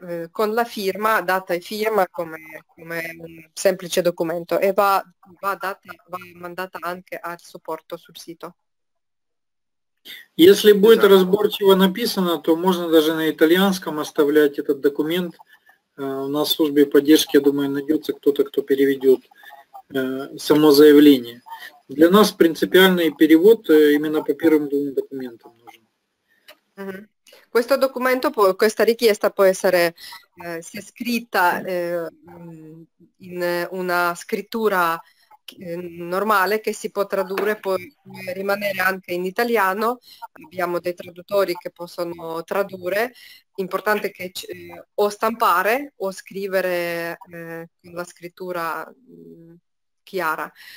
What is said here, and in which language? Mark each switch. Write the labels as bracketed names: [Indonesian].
[Italian] con la firma, data e firma come un semplice documento, e va mandata anche al supporto sul sito. [Russian] Если будет разборчиво написано, то можно даже на итальянском оставлять этот документ. У нас в службе поддержки, я думаю, найдется кто-то, кто переведет само заявление. Для нас принципиальный перевод именно по первым двум документам нужен. [Italian] Questo documento, questa richiesta può essere sia scritta in una scrittura normale che si può tradurre, può rimanere anche in italiano, abbiamo dei traduttori che possono tradurre, importante che o stampare o scrivere con la scrittura chiara.